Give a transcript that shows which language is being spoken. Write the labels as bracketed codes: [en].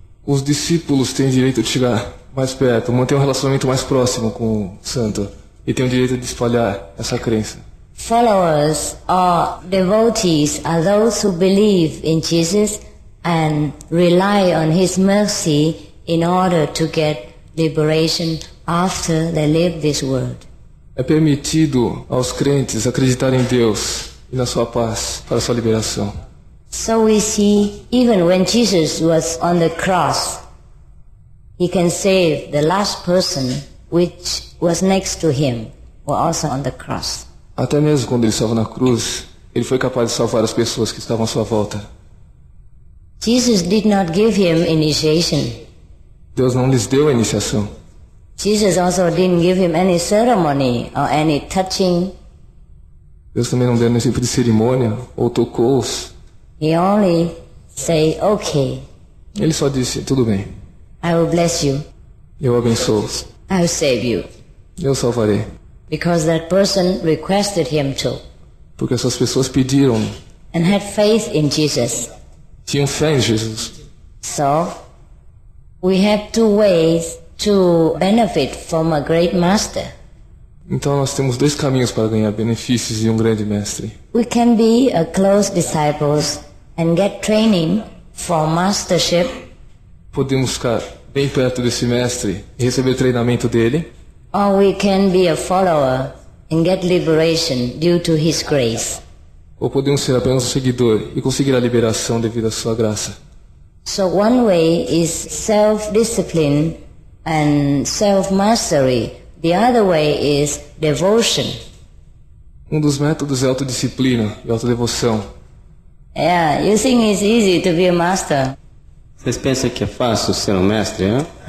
[pt] Os discípulos têm direito de chegar mais perto, manter um relacionamento mais próximo com o santo, e têm o direito de espalhar essa crença. [en] Followers or devotees are those who believe in Jesus and rely on his mercy in order to get liberation after they leave this world. [pt] É permitido aos crentes acreditarem em Deus e na sua paz para sua liberação. [en] So we see, even when Jesus was on the cross, he can save the last person which was next to him, who was also on the cross. [pt] Até mesmo quando ele estava na cruz, ele foi capaz de salvar as pessoas que estavam à sua volta. [en] Jesus did not give him initiation. [pt] Deus não lhes deu a iniciação. [en] Jesus also didn't give him any ceremony or any touching. [pt] Deus também não deu nenhum tipo de cerimônia ou tocou-os. [en] He only say okay. [pt] Ele só disse tudo bem. [en] I will bless you. [pt] Eu abençoo-os. [en] I will save you. [pt] Eu salvarei. [en] Because that person requested him to. [pt] Porque essas pessoas pediram. [en] And had faith in Jesus. [pt] Tinham fé em Jesus. [en] So, we have two ways to benefit from a great master. [pt] Então nós temos dois caminhos para ganhar benefícios de um grande mestre. [en] We can be a close disciples and get training for mastership. [pt] Podemos ficar bem perto desse mestre e receber treinamento dele. [en] Or we can be a follower and get liberation due to his grace. [pt] Ou podemos ser apenas um seguidor e conseguir a liberação devido à sua graça. [en] So one way is self-discipline and self-mastery. The other way is devotion. [pt] Um dos métodos é autodisciplina e autodevoção. [en] Yeah, you think it's easy to be a master? [pt] Vocês pensam que é fácil ser um mestre, né?